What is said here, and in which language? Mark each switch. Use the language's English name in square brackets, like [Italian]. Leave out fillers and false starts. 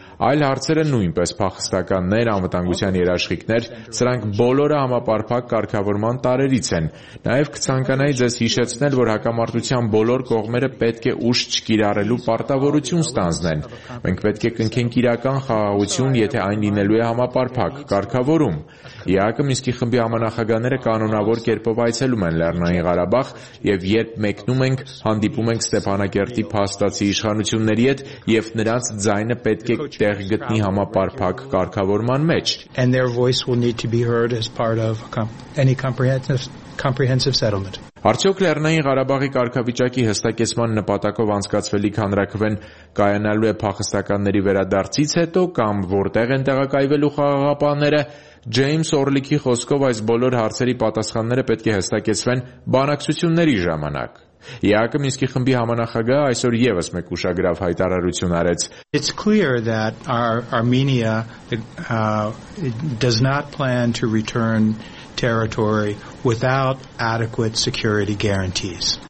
[Armenian] Այլ հարցերը նույնպես փախստականներ, անվտանգության երաշխիքներ, սրանք բոլորը համապարփակ կարգավորման տարերից են։ Նաև կցանկանայի ձեզ հիշեցնել, որ հակամարտության բոլոր կողմերը պետք է ուշ կիրառելու պարտավորություն ստանձնեն։ Մենք պետք է կնքենք իրական խաղաղություն, եթե այն լինելու է համապարփակ կարգավորում։ ՀԱԿ Մինսկի խմբի համանախագահները կանոնավոր կերպով այցելում են Լեռնային Ղարաբաղ, եւ երբ մեկնում ենք, հանդիպում ենք Ստեփանակերտի փաստացի իշխանությունների հետ, եւ նրանց ձայնը պետք է տեղ գտնի համապարփակ կարգավորման մեջ։ [English] And their voice will need to be heard as part of any comprehensive settlement. [Armenian] Արդյոք Լեռնային Ղարաբաղի կարգավիճակի հստակեցման նպատակով անցկացվելիք հանրակրվեն կայանալու է փախստականների վերադարձից հետո, կամ որտեղ են տեղակայվելու խաղաղապանները, Ջեյմս Օրլիքի խոսքով այս բոլոր հարցերի պատասխանները պետք է հստակեցվեն բանակցությունների ժամանակ։ ՀԱԿ Մինսկի խմբի համանախագահ այսօր ևս մեկ ուշագրավ հայտարարություն արեց. [English] It's clear that Armenia does not plan to return territory without adequate security guarantees.